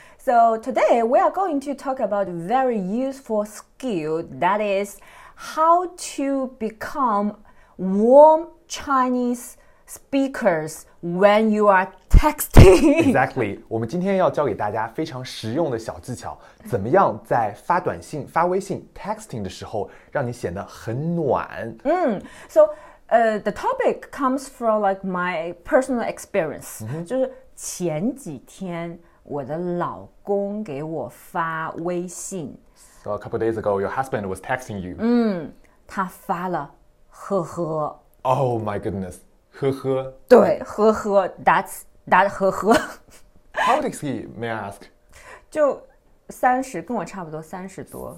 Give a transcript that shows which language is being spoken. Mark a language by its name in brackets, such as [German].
[English] So today we are going to talk about very useful skill, that is how to become warm Chinese speakers when you are texting. Exactly. [Chinese] 我们今天要教给大家非常实用的小技巧，怎么样在发短信、发微信 texting 的时候，让你显得很暖。 [English] So, the topic comes from like my personal experience. [Chinese] 就是前几天我的老公给我发微信。 [English] So a couple days ago, your husband was texting you. [Chinese] 他发了呵呵。 [English] Oh my goodness. 呵呵。 [Chinese] 对，呵呵。That 呵呵。 [English] How old is he, may I ask? [Chinese] 就三十，跟我差不多三十多。